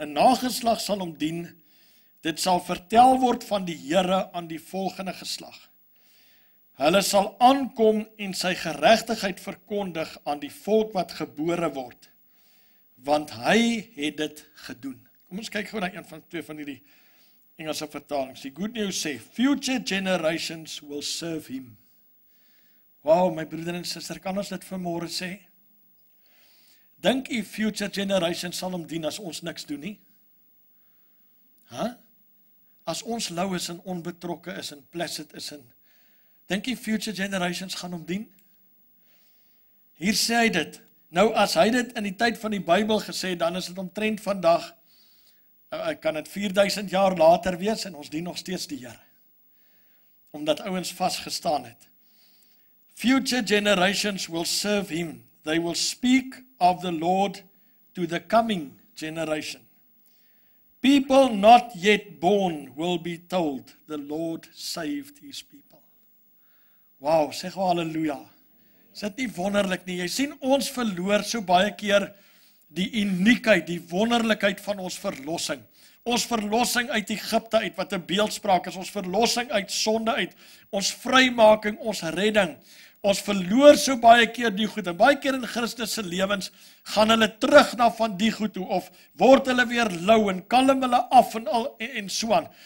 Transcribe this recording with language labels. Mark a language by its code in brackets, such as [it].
[af] Een nageslag sal hom dien, dit sal vertel word van die Here aan die volgende geslag. Hulle sal aankom en sy geregtigheid verkondig aan die volk wat gebore word, want hy het dit gedoen. Kom ons kyk gewoon na twee van die Engelse vertaling, die good news sê, [en] future generations will serve him. [af] Wow, my broeder en sister, kan ons dit vanmôre sê? Dink u [en] future generations [af] sal hom dien as ons niks doen nie? As ons lou is en onbetrokke is en placid is, dink u [en] future generations [af] gaan hom dien? Hier sê hy dit. Nou, as hy dit in die tyd van die Bybel gesê, dan is dit omtrent vandag, kan het 4000 jaar later wees en ons dien nog steeds die Here, omdat ouens vasgestaan het. [en] Future generations will serve him. They will speak of the Lord to the coming generation. People not yet born will be told the Lord saved his people. [af] Wow, sê gou halleluja. Is dit nie wonderlik nie? Jy sien, ons verloor so baie keer die uniekheid, die wonderlikheid van ons verlossing. Ons verlossing uit Egypte uit, wat 'n beeldspraak is, ons verlossing uit sonde uit, ons vrymaking, ons redding. Ons verloor so baie keer die goed, en baie keer in Christus se lewens gaan hulle terug na van die goed toe, of word hulle weer lou en kalm hulle af en al en so aan.